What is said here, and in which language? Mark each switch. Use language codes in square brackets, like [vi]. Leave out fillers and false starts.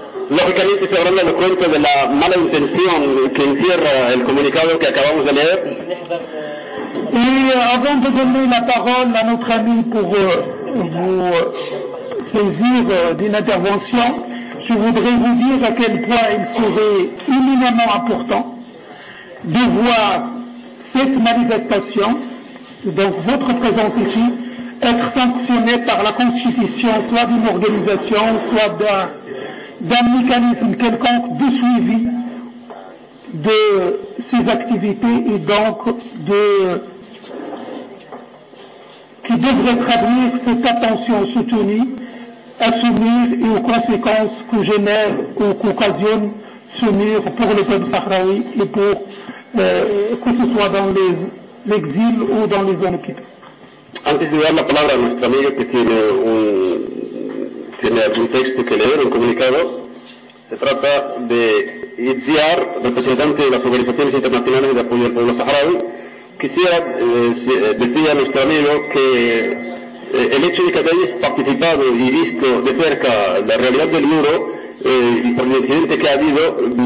[es] Lógicamente se habrán dado cuenta de la mala intención que encierra el comunicado que acabamos de leer. [fr] Y avant de donner la parole à notre ami pour vous saisir d'une intervention, je voudrais vous dire à quel point il serait éminemment important de voir cette manifestation, donc votre présence ici, être sanctionné par la constitution, soit d'une organisation, soit d'un mécanisme quelconque de suivi de ces activités et donc de qui devrait traduire cette attention soutenue, assumir et aux conséquences que génère ou qu'occasionne ce mur pour le peuple sahraoui et pour que ce soit dans l'exil ou dans les zones occupées. [es] Antes de dar la palabra a nuestra amiga que tiene algún texto que leer, un comunicado, se trata de Itziar, representante de las organizaciones internacionales de apoyo al pueblo saharaui. Quisiera decir a nuestro amigo que el hecho de que hayáis participado y visto de cerca la realidad del muro y por el incidente que ha habido,